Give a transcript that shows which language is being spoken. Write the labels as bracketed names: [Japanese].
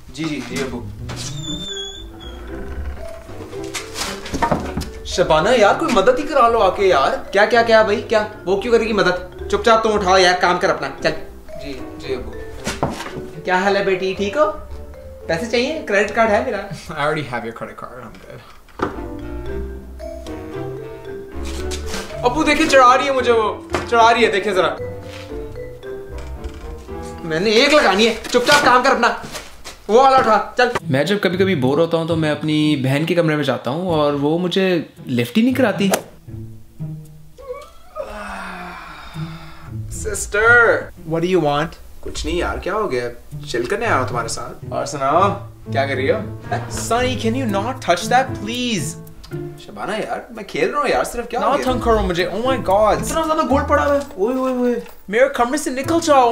[Hindi] जी जी जी अब्बू। शबाना यार, कोई मदद ही करा लो आके यार। क्या क्या क्या भाई, क्या वो क्यों करेगी मदद, चुपचाप तुम उठाओ यार, काम कर अपना, चल। जी, क्या हाल है बेटी, ठीक हो? पैसे चाहिए? क्रेडिट कार्ड है मेरा। [English] I already have your credit card, I'm good. [Hindi] Abu देखे चढ़ा रही है मुझे, वो चढ़ा रही है, देखे जरा। मैंने एक लगानी है, चुपचाप काम कर अपना, वो वाला उठा चल। मैं जब कभी कभी बोर होता हूँ तो मैं अपनी बहन के कमरे में जाता हूँ और वो मुझे लिफ्ट ही नहीं कराती। [English] Sister, what do you want? [Hindi] कुछ नहीं यार, क्या हो गया, चिल करने आया हूँ तुम्हारे साथ। और सुनाओ क्या कर रही हो? [English] Sonny, can you not touch that, please? [Hindi] Shabana यार, मैं खेल रहा हूँ यार, सिर्फ क्या ना तंग करो मुझे। [English] Oh my God, [Hindi] इतना ज़्यादा गोल पड़ा है। ओए ओए ओए, मेरे कमरे से निकल जाओ।